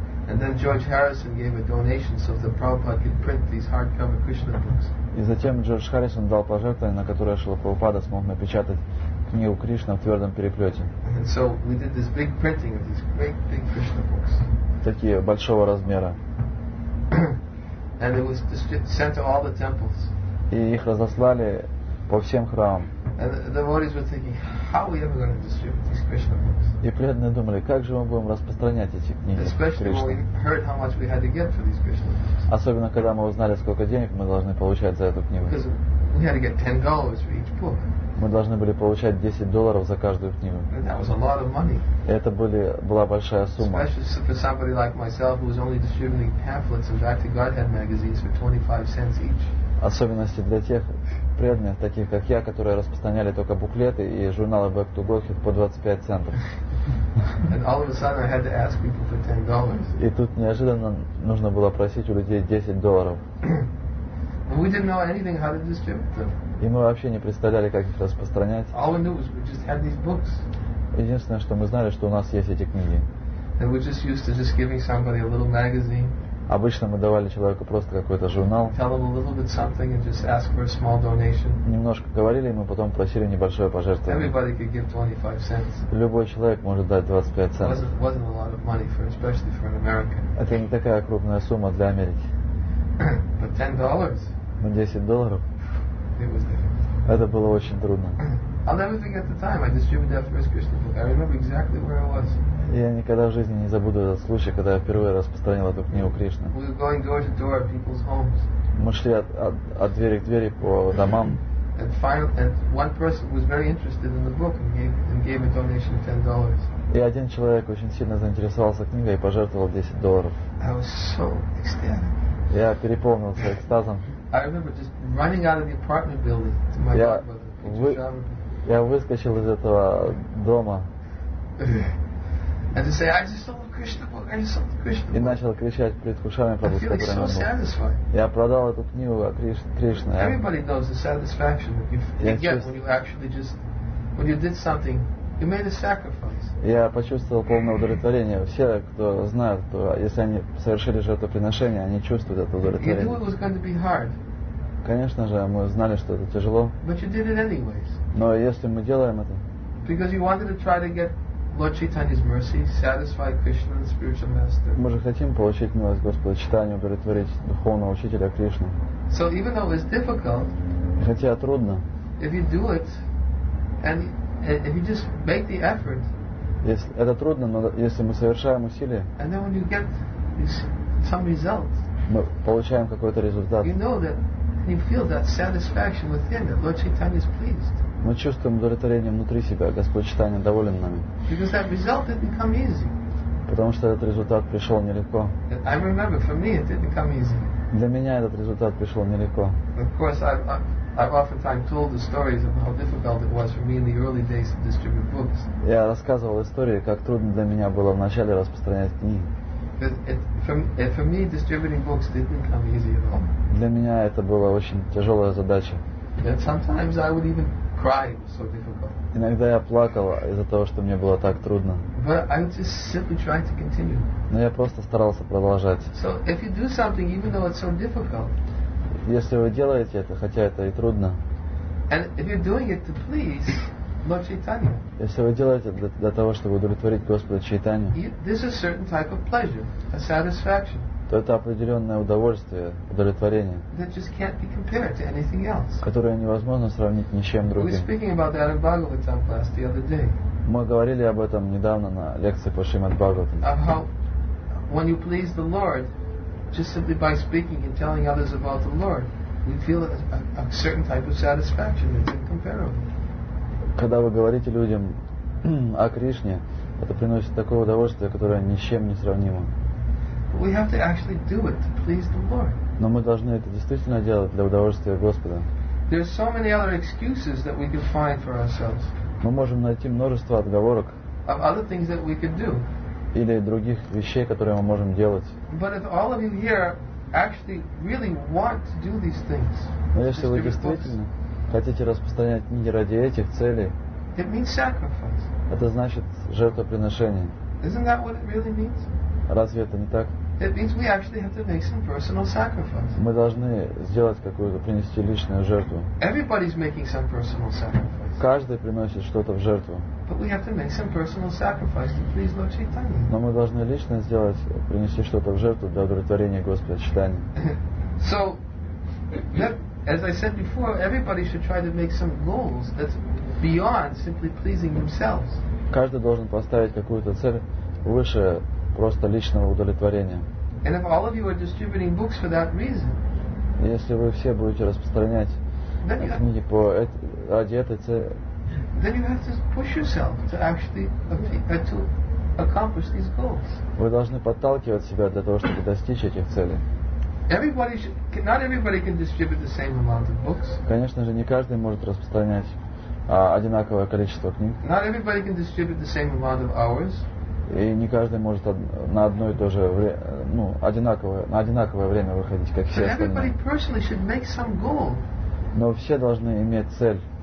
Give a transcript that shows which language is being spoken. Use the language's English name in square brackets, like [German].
[English] And then George Harrison gave a donation so that Prabhupada could print these hardcover Krishna books. [Russian] И затем Джордж Харрисон дал пожертвование, на которое Шрила Прабхупада смог напечатать книгу Кришна в твердом переплете. [English] And so we did this big printing of these great big Krishna books. [Russian] Такие большого размера. [English] And it was sent to all the temples. [Russian] И их разослали по всем храмам. [English] And the devotees were thinking, how are we ever going to distribute these Krishna books? [Russian] И преданные думали, как же мы будем распространять эти книги. [English] Especially when we heard how much we had to get for these Krishna books. [Russian] Особенно когда мы узнали, сколько денег мы должны получать за эту книгу. [English] Because we had to get $10 for each book. [Russian] Мы должны были получать $10 за каждую книгу. [English] And that was a lot of money. [Russian] Это была большая сумма. [English] Especially for somebody like myself who was only distributing pamphlets and Bhakti Godhead magazines for 25 cents each. [Russian] Особенности для тех преданных, таких как я, которые распространяли только буклеты и журналы Back to Godhead по 25 центов. [English] And all of a sudden I had to ask people for $10. [Russian] И тут неожиданно нужно было просить у людей $10. [English] We didn't know anything how to distribute them. [Russian] И мы вообще не представляли, как их распространять. [English] All we knew was we just had these books. [Russian] Единственное, что мы знали, что у нас есть эти книги. [English] And we just used to just giving somebody a little magazine. [Russian] Обычно мы давали человеку просто какой-то журнал. [English] Tell him a little bit something and just ask for a small donation. [Russian] Немножко говорили, и мы потом просили небольшое пожертвование. [English] Everybody could give 25 cents. [Russian] Любой человек может дать 25 центов. [English] It wasn't a lot of money, especially for an American. [Russian] Это не такая крупная сумма для Америки. [English] But $10. [Russian] Но $10. [English] It was difficult. [Russian] Это было очень трудно. [English] I'll never forget the time I distributed that first Krishna book. I remember exactly where I was. [Russian] Я никогда в жизни не забуду этот случай, когда я впервые распространил эту книгу Кришны. [English] We were going door to door at people's homes. [Russian] Мы шли от двери к двери по домам. [English] And finally, and one person was very interested in the book and gave a donation of $10. [Russian] И один человек очень сильно заинтересовался книгой и пожертвовал $10. [English] I was so ecstatic. [Russian] Я переполнился экстазом. [English] I remember just running out of the apartment building to my godmother. [Russian] Я выскочил из этого дома. [English] And to say, I just sold the Krishna book. I just sold the Krishna book. [Russian] И начал кричать перед Кушами [English] Прабху. I feel so satisfied. [Russian] Я продал эту книгу о Кришне. [English] Everybody knows the satisfaction that you get when you did something. You made a sacrifice. [Russian] Я почувствовал полное удовлетворение. Все, кто знает, то если они совершили жертвоприношение, они чувствуют это удовлетворение. [English] You knew it was going to be hard. [Russian] Конечно же, мы знали, что это тяжело. [English] But you did it anyways. [Russian] Но если мы делаем это. [English] Because you wanted to try to get Lord Chaitanya's mercy, satisfy Krishna, the spiritual master. [Russian] Мы же хотим получить милость Господа Чайтани, удовлетворить духовного учителя Кришну. [English] So even though it's difficult. [Russian] Хотя трудно. [English] If you do it, and if you just make the effort. [Russian] Это трудно, но если мы совершаем усилия. [English] And then when you get some result. [Russian] Мы получаем какой-то результат. [English] You know that, and you feel that satisfaction within that Lord Chaitanya is pleased. [Russian] Мы чувствуем удовлетворение внутри себя. Господь Чайтанья доволен нами. [English] Because that result didn't come easy. [Russian] Потому что этот результат пришел нелегко. [English] I remember, for me, it didn't come easy. [Russian] Для меня этот результат пришел нелегко. [English] Of course, I've oftentimes told the stories of how difficult it was for me in the early days to distribute books. [Russian] Я рассказывал истории, как трудно для меня было в начале распространять книги. [English] For me, distributing books didn't come easy at all. [Russian] Для меня это была очень тяжелая задача. [English] And sometimes I would even cry, it was so difficult. [Russian] Иногда я плакал из-за того, что мне было так трудно. [English] But I was just simply trying to continue. [Russian] Но я просто старался продолжать. [English] So if you do something, even though it's so difficult. [Russian] Если вы делаете это, хотя это и трудно. [English] And if you're doing it to please Lord Chaitanya. [Russian] Если вы делаете это для того, чтобы удовлетворить Господа Чайтанью. [English] This is a certain type of pleasure, a satisfaction. [Russian] То это определенное удовольствие, удовлетворение, [English] that just can't be compared to anything else. [Russian] Которое невозможно сравнить ни с чем другим. [English] We were speaking about that in Bhagavatam class the other day. [Russian] Мы говорили об этом недавно на лекции по Шримад Бхагаватам. [English] Of how when you please the Lord, just simply by speaking and telling others about the Lord, we feel a certain type of satisfaction that's incomparable. [Russian] Когда вы говорите людям о Кришне, это приносит такое удовольствие, которое ни с чем не сравнимо. [English] But we have to actually do it to please the Lord. [Russian] Но мы должны это действительно делать для удовольствия Господа. [English] There are so many other excuses that we can find for ourselves. [Russian] Мы можем найти множество отговорок. [English] Of other things that we could do. [Russian] Или других вещей, которые мы можем делать. [English] But if all of you here actually really want to do these things. [Russian] Но если вы действительно хотите распространять книги ради этих целей. [English] It means sacrifice. [Russian] Это значит жертвоприношение. [English] Isn't that what it really means? [Russian] Разве это не так? [English] It means we actually have to make some personal sacrifice. [Russian] Мы должны сделать какую-то, принести личную жертву. [English] Everybody's making some personal sacrifice. [Russian] Каждый приносит что-то в жертву. [English] But we have to make some personal sacrifice to please Lord Chaitanya. [Russian] Но мы должны лично сделать, принести что-то в жертву для удовлетворения Господа Чайтаньи. [English] So, as I said before, everybody should try to make some goals that's beyond simply pleasing themselves. [Russian] Каждый должен поставить какую-то цель выше просто личного удовлетворения. [English] And if all of you are distributing books for that reason, [Russian] если вы все будете распространять книги по ради этой цели, [English] then you have to push yourself to actually to accomplish these goals. [Russian] Вы должны подталкивать себя для того, чтобы достичь этих целей. [English] Everybody should, not everybody can distribute the same amount of books. [Russian] Конечно же, не каждый может распространять одинаковое количество книг. [English] Not everybody can distribute the same amount of hours. [Russian] И не каждый может на одно и то же время, ну, на одинаковое время выходить, как все остальные. [English] Everybody personally should make some goal. [Russian] Но все должны иметь цель.